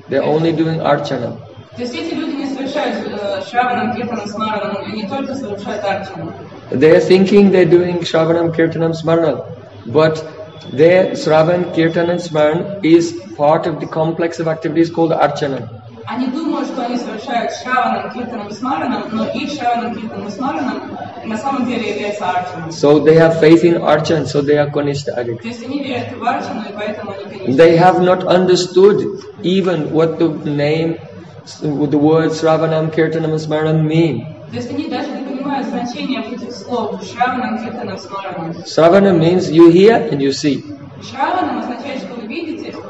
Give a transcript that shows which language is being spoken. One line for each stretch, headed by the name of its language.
English: They're only doing archana. They're thinking they're doing shravanam, kirtanam, smaranam, but their shravan, kirtan and smaran is part of the complex of activities called archana.
Russian: Они думают, что они совершают шраванам, киртанам, смаранам, но их шраванам, киртанам, смаранам на самом деле является арчаном.
English: So they have faith in archan, so they are kanishta adhik.
Russian: То есть они верят в арчану, и поэтому они коништадик.
English: They have not understood even what the name, the word shravanam, kirtanam, smaranam mean.
Russian: То есть они даже не понимают значения этих слов шраванам, киртанам, смаранам.
English: Shravanam means you hear and you see.
Russian: Шраванам означает, что вы видите.